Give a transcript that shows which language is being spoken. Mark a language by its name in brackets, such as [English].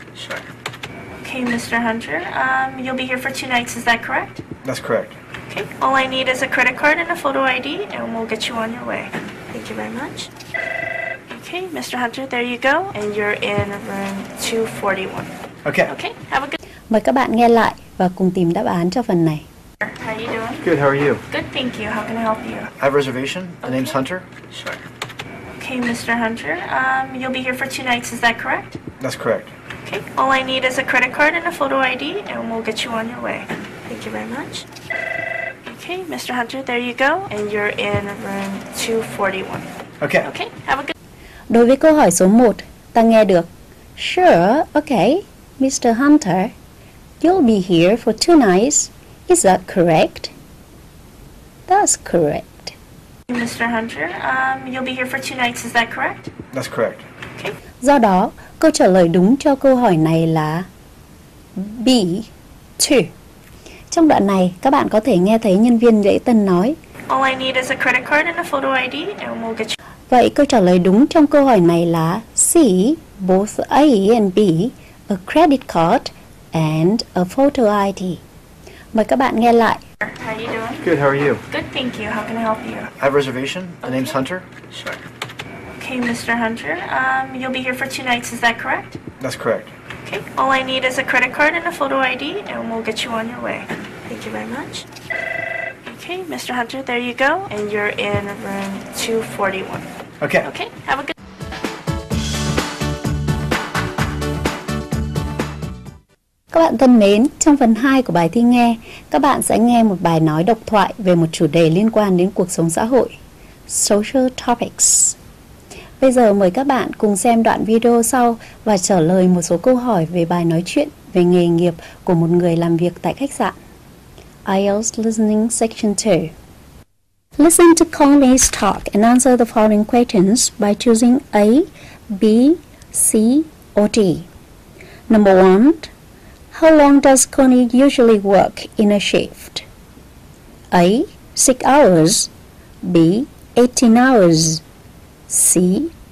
[English] Sure. Okay, Mr. Hunter, you'll be here for 2 nights, is that correct? That's correct. Okay, all I need is a credit card and a photo ID, and we'll get you on your way. Thank you very much. Okay, Mr. Hunter, there you go, and you're in room 241. Okay. Okay, have a good... [Vietnamese] Mời các bạn nghe lại và cùng tìm đáp án cho phần này. [English] How are you doing? Good, how are you? Good, thank you. How can I help you? I have a reservation. The name's Hunter. Sure. Okay, Mr. Hunter, you'll be here for 2 nights, is that correct? That's correct. Okay, all I need is a credit card and a photo ID, and we'll get you on your way. Thank you very much. Okay, Mr. Hunter, there you go, and you're in room 241. Okay. Okay, have a good... [Vietnamese] Đối với câu hỏi số 1, ta nghe được [English] Sure, okay, Mr. Hunter, you'll be here for 2 nights, is that correct? That's correct. Mr. Hunter, you'll be here for 2 nights, is that correct? That's correct. Okay. [Vietnamese] Do đó, câu trả lời đúng cho câu hỏi này là B, 2. Trong đoạn này, các bạn có thể nghe thấy nhân viên lễ tân nói [English] All I need is a credit card and a photo ID, and we'll get you... [Vietnamese] Vậy câu trả lời đúng trong câu hỏi này là C, [English] both A and B, a credit card and a photo ID. [Vietnamese] Mời các bạn nghe lại. [English] How are you doing? Good, how are you? Good, thank you. How can I help you? I have a reservation. The name's Hunter. Sure. Okay, Mr. Hunter, you'll be here for 2 nights, is that correct? That's correct. Okay, all I need is a credit card and a photo ID, and we'll get you on your way. Thank you very much. Okay, Mr. Hunter, there you go, and you're in room 241. Okay. Okay, have a good... [Vietnamese] Các bạn thân mến, trong phần 2 của bài thi nghe, các bạn sẽ nghe một bài nói độc thoại về một chủ đề liên quan đến cuộc sống xã hội. [English] Social topics. [Vietnamese] Bây giờ mời các bạn cùng xem đoạn video sau và trả lời một số câu hỏi về bài nói chuyện về nghề nghiệp của một người làm việc tại khách sạn. [English] IELTS Listening Section 2. Listen to Connie's talk and answer the following questions by choosing A, B, C, or D. Number 1. How long does Connie usually work in a shift? A. 6 hours. B. 18 hours. C.